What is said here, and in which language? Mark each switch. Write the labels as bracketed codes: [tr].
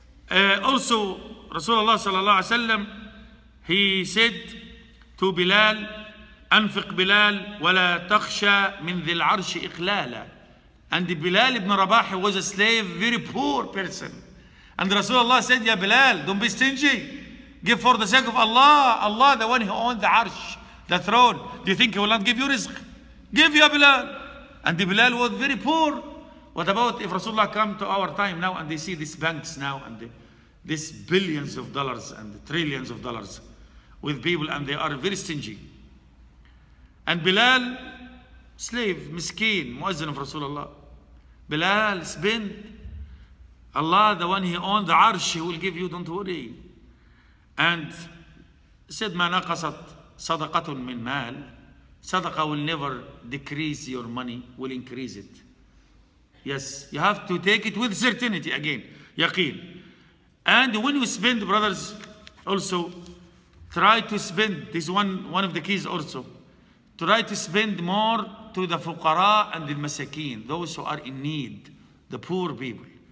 [en] Also, Rasulullah [ar] صلى الله عليه وسلم, [en] he said, To Bilal, [ar] أنفق بلال ولا تخشى من ذي العرش إقلالا. [en] And Bilal ibn Rabah was a slave, very poor person. And Rasulullah said, Ya Bilal, don't be stingy. Give for the sake of Allah. Allah, the one who owns the arsh, the throne. Do you think he will not give you rizq? Give, Ya Bilal. And Bilal was very poor. What about if Rasulullah come to our time now and they see these banks now and these billions of dollars and trillions of dollars? With people and they are very stingy. And Bilal, slave, miskeen, muazzin of Rasulullah. Bilal, spend. Allah, the one he owned the arsh, he will give you, don't worry. And said, [ar] ما نقصت صدقة من مال. [en] صدقة will never decrease your money, will increase it. Yes, you have to take it with certainty again, yaqeen. And when you spend, brothers, also, Try to spend, this is one of the keys also. Try to spend more to the fuqara and the masakeen, those who are in need, the poor people.